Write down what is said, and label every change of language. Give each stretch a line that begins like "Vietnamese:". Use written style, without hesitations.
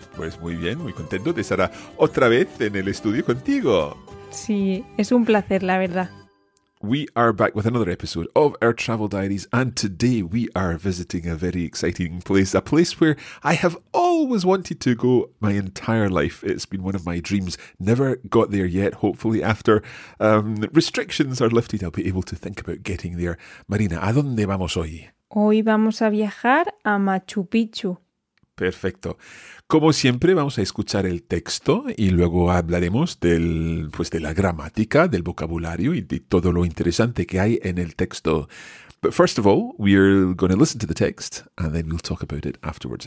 Spanish: Pues muy bien, muy contento de estar otra vez en el estudio contigo. Sí, es un placer, la verdad.
English: We are back with another episode of our Travel Diaries, and today we are visiting a very exciting place, a place where I have always wanted to go my entire life. It's been one of my dreams. Never got there yet. Hopefully after restrictions are lifted, I'll be able to think about getting there.
Spanish: Marina, ¿a dónde vamos hoy? Hoy vamos a viajar a Machu Picchu. Perfecto. Como siempre, vamos a escuchar el texto y luego hablaremos de la gramática, del vocabulario y de todo lo interesante que hay en el texto.
English: But first of all, we're going to listen to the text and then we'll talk about it afterwards.